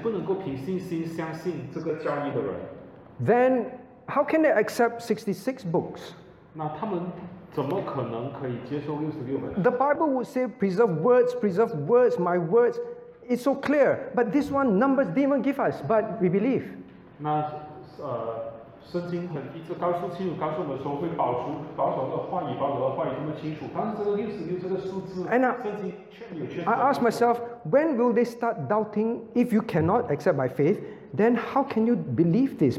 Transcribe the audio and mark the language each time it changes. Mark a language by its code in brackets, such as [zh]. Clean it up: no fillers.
[zh] 但是我却想起那些不能够凭信心相信这个教义的人. [en] Then, how can they accept 66 books? [zh] 那他们怎么可能可以接受66本书? [en] The Bible would say, preserve words, my words. It's so clear. But this one, numbers didn't even give us, but we believe. [zh] 那圣经很一直告诉清楚，告诉我们说会保守的话语，保守的话语这么清楚，但是这个66这个数字，圣经确有确。 [en] I ask myself, when will they start doubting? If you cannot accept by faith, then how can you believe this?